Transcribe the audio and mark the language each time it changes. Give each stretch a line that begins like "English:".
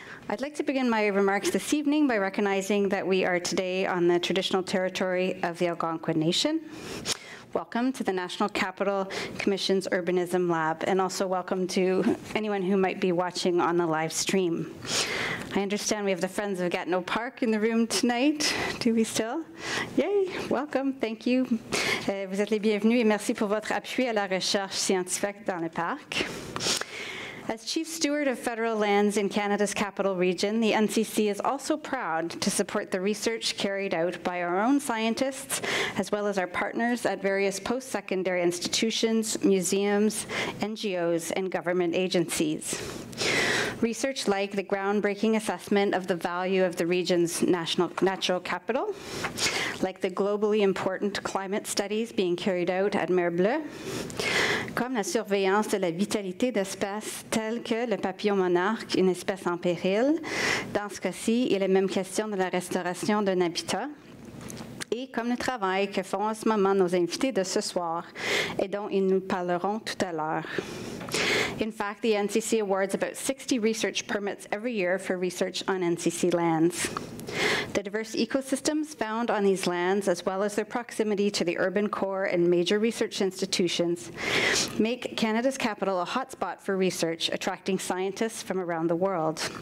English: I'd like to begin my remarks this evening by recognizing that we are today on the traditional territory of the Algonquin Nation. Welcome to the National Capital Commission's Urbanism Lab, and also welcome to anyone who might be watching on the live stream. I understand we have the Friends of Gatineau Park in the room tonight. Do we still? Yay! Welcome. Thank you.
French: Vous êtes les bienvenus et merci pour votre appui à la recherche scientifique dans le parc.
English: As chief steward of federal lands in Canada's capital region, the NCC is also proud to support the research carried out by our own scientists, as well as our partners at various post-secondary institutions, museums, NGOs, and government agencies. Research like the groundbreaking assessment of the value of the region's natural capital, like the globally important climate studies being carried out at Mirebleu,
French: comme la surveillance de la vitalité d'espèces telles que le papillon monarque, une espèce en péril. Dans ce cas-ci, il est même question de la restauration d'un habitat. Et comme le travail que font en ce moment nos invités de ce soir et dont ils nous parleront tout à l'heure.
English: In fact, the NCC awards about 60 research permits every year for research on NCC lands. The diverse ecosystems found on these lands, as well as their proximity to the urban core and major research institutions, make Canada's capital a hotspot for research, attracting scientists from around the world.